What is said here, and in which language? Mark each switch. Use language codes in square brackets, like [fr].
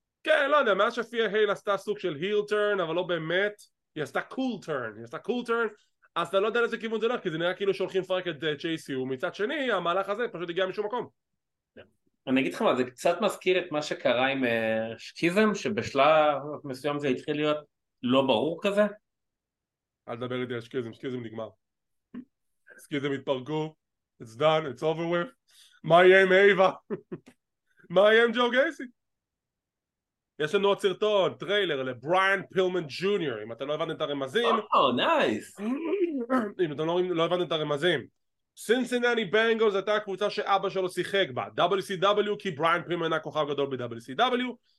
[he] כן, לא יודע, מאז שפיה הייל עשתה סוג של heel turn, אבל לא באמת, היא עשתה cool turn, היא עשתה cool turn, אז אתה לא יודע לזה כיוון זה לא, כי זה נראה כאילו שהולכים לפרק את צ'ייסיו, ומצד שני, המהלך הזה פשוט הגיע משום מקום. אני אגיד לך מה, זה קצת מזכיר את מה שקרה עם שקיזם, שבשלב מסוים זה התחיל להיות לא ברור כזה? אל תדבר איתי על שקיזם, שקיזם נגמר. שקיזם התפרקו, [en] it's done, it's over with. My name Ava. My name Joe Gacy. [he] יש לנו עוד סרטון, טריילר לבריאן פילמן ג'וניור, אם אתה לא הבנת את הרמזים. [en] Oh, nice. [he] אם אתה לא הבנת את הרמזים. סינסינטי בנגלס הייתה הקבוצה שאבא שלו שיחק בה. WCW, כי בריאן פילמן היה כוכב גדול ב-WCW.